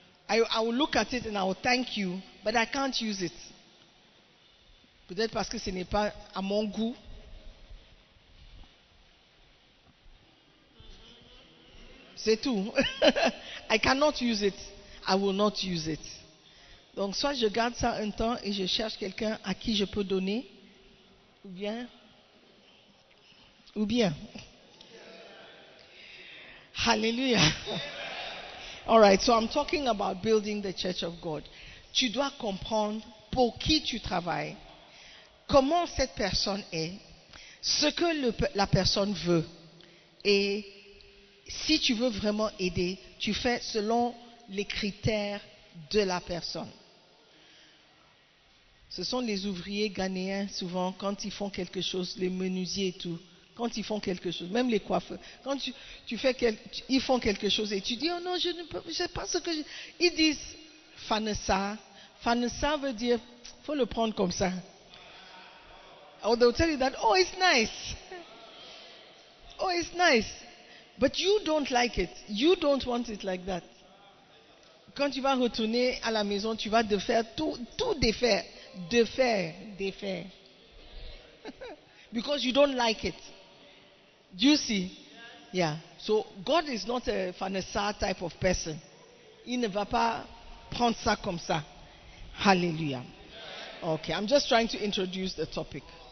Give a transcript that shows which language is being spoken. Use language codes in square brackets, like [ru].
[en] I will look at it and I will thank you, but I can't use it. [fr] Peut-être parce que ce n'est pas à mon goût. C'est tout. [en] I cannot use it. [fr] I will not use it. Donc, soit je garde ça un temps et je cherche quelqu'un à qui je peux donner. Ou bien. Hallelujah. [en] All right, so I'm talking about building the church of God. [fr] Tu dois comprendre pour qui tu travailles, comment cette personne est, ce que la personne veut et... Si tu veux vraiment aider, tu fais selon les critères de la personne. Ce sont les ouvriers ghanéens, souvent, quand ils font quelque chose, les menuisiers et tout, quand ils font quelque chose, même les coiffeurs, quand ils font quelque chose et tu dis, oh non, je ne peux, c'est pas ce que je... Ils disent, Fanessa. Fanessa veut dire, il faut le prendre comme ça. [en] Or they'll tell you that, oh, it's nice. Oh, it's nice. But you don't like it. You don't want it like that. [fr] Quand tu vas retourner à la maison, tu vas défaire tout défaire. Défaire. [en] Because you don't like it. Do you see? Yeah. So God is not a financier type of person. [fr] Il ne va pas prendre ça comme ça. Hallelujah. [en] Okay, I'm just trying to introduce the topic.